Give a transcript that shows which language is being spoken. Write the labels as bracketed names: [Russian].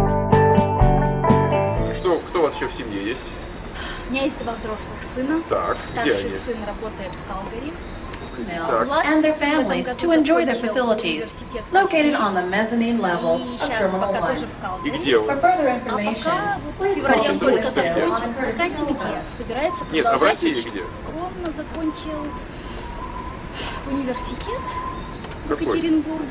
[Russian] Что, кто у вас еще в семье есть? У меня есть два взрослых сына. Так, старший где сын работает в Калгари. Так. [English] And their families to enjoy the facilities located on the mezzanine level of Terminal 1. [Russian] И где он? [English] For further information, please call the door staff. [Russian] Пока нигде. Собирается продолжать. Нет, а в России где? Он закончил университет в Екатеринбурге.